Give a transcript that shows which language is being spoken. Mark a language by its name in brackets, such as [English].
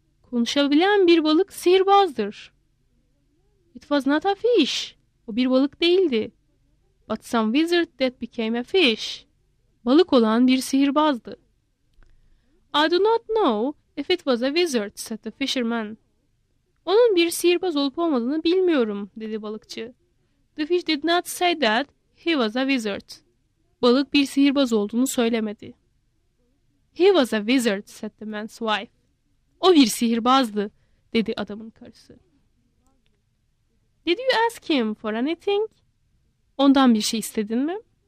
[Turkish] Konuşabilen bir balık sihirbazdır. [English] It was not a fish. [Turkish] O bir balık değildi. [English] But some wizard that became a fish. [Turkish] Balık olan bir sihirbazdı. [English] I do not know if it was a wizard, said the fisherman. [Turkish] Onun bir sihirbaz olup olmadığını bilmiyorum, dedi balıkçı. [English] The fish did not say that he was a wizard. [Turkish] Balık bir sihirbaz olduğunu söylemedi. [English] He was a wizard, said the man's wife. [Turkish] O bir sihirbazdı, dedi adamın karısı. [English] Did you ask him for anything? [Turkish] Ondan bir şey istedin mi?